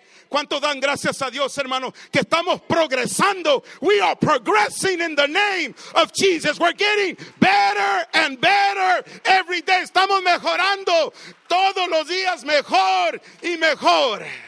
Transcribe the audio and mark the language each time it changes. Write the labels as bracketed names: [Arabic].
[Spanish] ¿Cuánto dan gracias a Dios, hermano, que estamos progresando? [English] We are progressing in the name of Jesus. We're getting better and better every day. [Spanish] Estamos mejorando todos los días, mejor y mejor.